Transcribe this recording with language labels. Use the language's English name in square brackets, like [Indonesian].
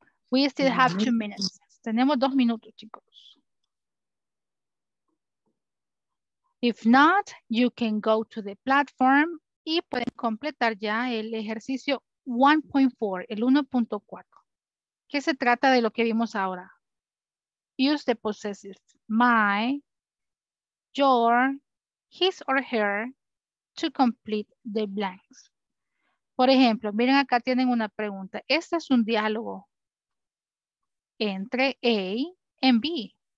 [English] We still have 2 minutes. Tenemos 2 minutos, chicos. If not, you can go to the platform y pueden completar ya el ejercicio 1.4, el 1.4. [Spanish] ¿Qué se trata de lo que vimos ahora? [English] Use the possessive my, your, his or her to complete the blanks. [Spanish] Por ejemplo, miren acá tienen una pregunta. Este es un diálogo entre A y B.